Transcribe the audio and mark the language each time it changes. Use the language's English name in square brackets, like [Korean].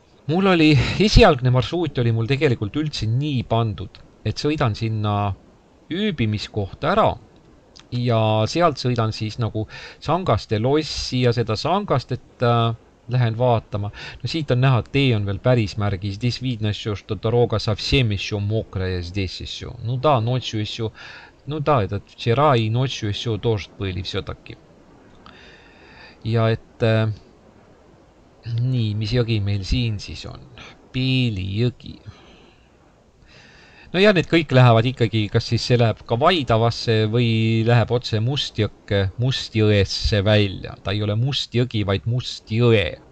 [Estonian] Mul oli esialgne marsruut oli mul tegelikult üldse nii pandud, et sõidan sinna ööbimiskohta ära ja sealt sõidan siis nagu Sangaste lossi ja seda Sangast, et lähen vaatama. No siit on näha, et tee on veel päris märgi. [Russian] Здесь видно, что дорога совсем еще мокрая здесь еще. Ну да, ночью еще. Ну да, это вчера и ночью еще дождь были все-таки. [Estonian] Ja et... Nii, mis jõgi meil siin siis on? Peeli jõgi. No ja need kõik lähevad ikkagi, kas siis see läheb ka Vaidavasse või läheb otse mustjõesse välja. Ta ei ole mustjõgi, vaid mustjõe.